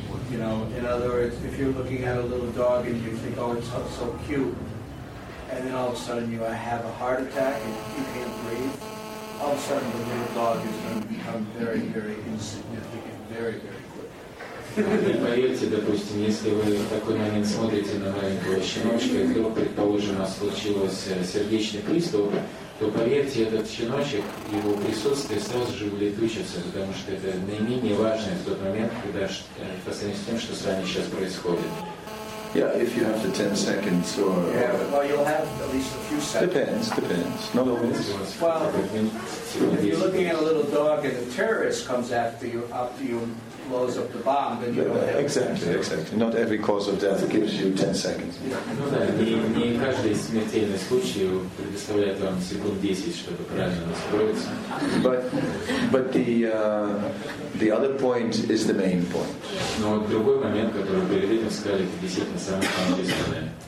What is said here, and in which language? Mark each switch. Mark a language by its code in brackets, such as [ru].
[en] You know, in other words, if you're looking at a little dog and you think, oh, it's so cute, and then all of a sudden you have a heart attack and you can't breathe, all of a sudden the little dog is going to become very, very insignificant, very, very. [ru] Не поверьте, допустим, если вы в такой момент смотрите на маленького щеночка, и вдруг, предположим, у нас случился сердечный приступ, то поверьте, этот щеночек, его присутствие сразу же улетучится, потому что это наименее важное в тот момент, когда по сравнению с тем, что с вами сейчас происходит. [en] Yeah, if you have the 10 seconds or... Yeah, well, you'll have at least a few seconds. Depends. Not always. Well, if you're looking at a little dog and a terrorist comes after you blows up the bomb, then you don't have... Exactly. Not every cause of death gives you 10 seconds. [ru] Ну да, не каждый смертельный случай предоставляет вам секунд 10, чтобы правильно настроиться. [en] But the other point is the main point. [ru] Но другой момент, который перед этим сказали, это действительно самое самое важное.